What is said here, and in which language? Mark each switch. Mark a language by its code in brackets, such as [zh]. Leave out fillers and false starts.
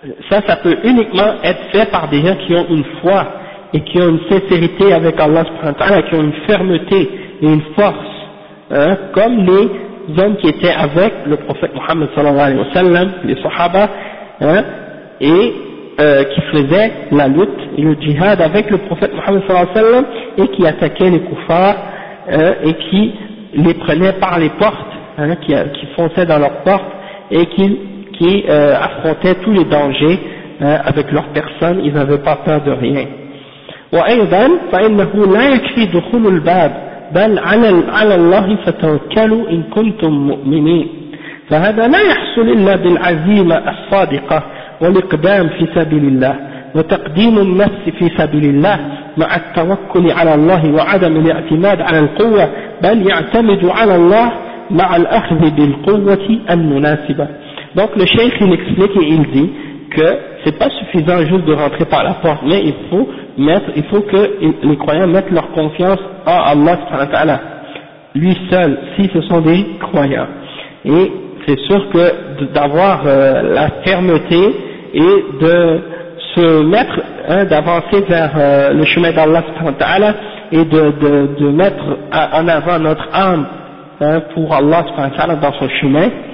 [fr] ça peut uniquement être fait par des gens qui ont une foi, et qui ont une sincérité avec Allah subhanahu wa ta'ala, qui ont une fermeté et une force, hein, comme les hommes qui étaient avec le prophète Mohammed sallallahu alayhi wa sallam, les sahaba, hein, et qui faisaient la lutte et le djihad avec le prophète Mohammed sallallahu alayhi wa sallam, et qui attaquaient les koufars, et qui les prenaient par les portes, hein, qui fonçaient dans leurs portes, et qui affrontaient tous les dangers avec leurs personnes, ils n'avaient pas peur de rien. [ar] وأيضا فإنه لا يكفي دخول الباب بل على الله فتوكلوا إن كنتم مؤمنين فهذا لا يحصل إلا بالعزيمة الصادقة والإقدام في سبيل الله وتقديم النفس في سبيل الله مع التوكل على الله وعدم الاعتماد على القوة بل يعتمد على الله مع الأخذ بالقوة المناسبة. [fr] Donc le cheikh il explique et il dit que c'est pas suffisant juste de rentrer par la porte, mais il faut que les croyants mettent leur confiance en Allah subhanahu wa ta'ala, lui seul, si ce sont des croyants. Et c'est sûr que d'avoir la fermeté et de se mettre, hein, d'avancer vers le chemin d'Allah subhanahu wa ta'ala et de mettre en avant notre âme, hein, pour Allah subhanahu wa ta'ala dans son chemin,